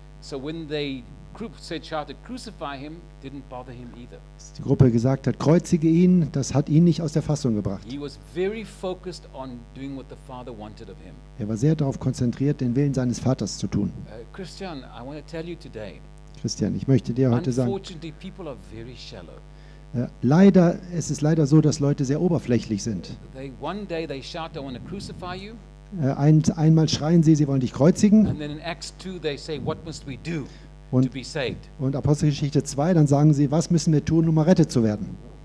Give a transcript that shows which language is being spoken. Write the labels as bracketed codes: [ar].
[en] So when they said, shouted, crucify him, didn't bother him either. [de] Die Gruppe gesagt hat, kreuzige ihn, das hat ihn nicht aus der Fassung gebracht. [en] He was very focused on doing what the Father wanted of him. [de] Er war sehr darauf konzentriert, den Willen seines Vaters zu tun. [en] Christian, I want to tell you today, [de] Christian, ich möchte dir heute sagen, [en] unfortunately, people are very shallow. [de] Leider, es ist leider so, dass Leute sehr oberflächlich sind. [en] They, one day they shout, I want to crucify you. [de] Einmal schreien sie, sie wollen dich kreuzigen. [en] And then in Acts 2 they say, what must we do? [de] Und Apostelgeschichte 2, dann sagen sie, was müssen wir tun, um errettet zu werden?